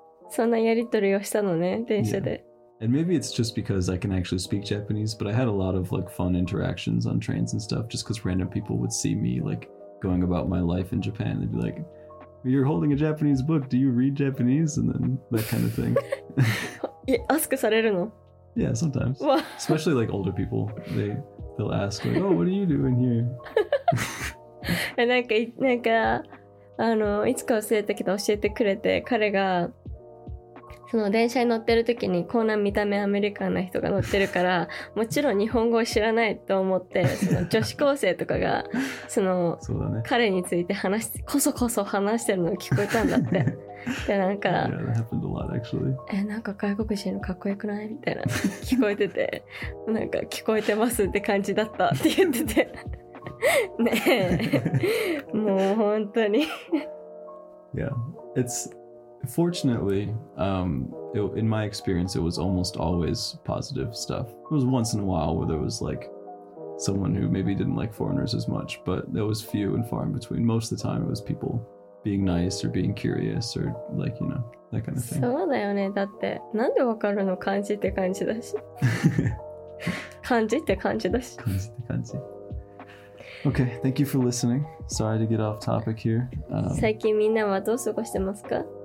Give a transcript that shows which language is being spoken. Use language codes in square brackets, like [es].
[ja] そんなやり取りをしたのね、電車で。 [en] Yeah. And maybe it's just because I can actually speak Japanese, but I had a lot of like fun interactions on trains and stuff, just because random people would see me like going about my life in Japan. They'd be like, you're holding a Japanese book, do you read Japanese? And then that kind of thing. [ja] Ask されるの? [en] Yeah, sometimes. Especially like older people. They'll ask like, oh, what are you doing here? [ja] And なんか、あの、いつか忘れたけど教えてくれて、彼が、その電車に乗ってる時にこんな見た目アメリカンな人が乗ってるからもちろん日本語を知らないと思ってその女子高生とかがそのそうだ、ね、彼について話しこそこそ話してるのを聞こえたんだってでなんか [en] yeah, that happened a lot, actually. [ja] なんか外国人のかっこよくないみたいな聞こえててなんか聞こえてますって感じだったって言っててねえもう本当に [en] Yeah, it'sFortunately, in my experience, it was almost always positive stuff. It was once in a while where there was like someone who maybe didn't like foreigners as much, but that was few and far in between. Most of the time, it was people being nice or being curious or like, you know, that kind of thing. [ja] そうだよね。だって、なんでわかるの? 感じって感じだし。感じって感じだし。感じって感じ。 [en] Okay, thank you for listening. Sorry to get off topic here. [ja] 最近みんなはどう過ごしてますか?